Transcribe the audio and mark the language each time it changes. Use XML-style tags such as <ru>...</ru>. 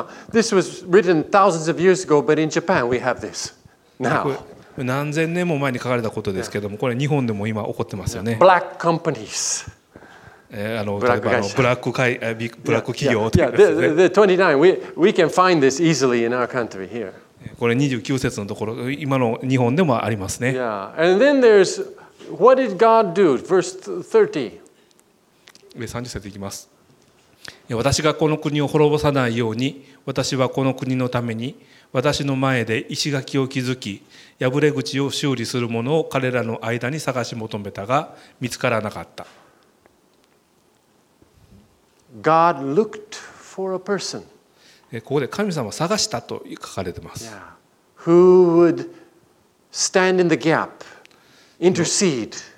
<en>This was written thousands of years ago, but in Japan we have this now.</en> <ja>何千年も前に書かれたことですけども、これ日本でも今起こってますよね。</ja> <en>Black companies.</en> <ja>ブラック企業。</ja> <en>The 29, we can find this easily in our country here.</en> <ja>これ29節のところ今の日本でもありますね。 Yeah.</ja> <en>And then there's what did God do? Verse 30.</en> <ja>30節いきます。私がこの国を滅ぼさないように私はこの国のために私の前で石垣を築き破れ口を修理する者を彼らの間に探し求めたが見つからなかった。</ja> <en>God looked for a person.</en> <ja>ここで神様を探したと書かれています。 Yeah.</ja> <en>Who would stand in the gap, intercede?</en>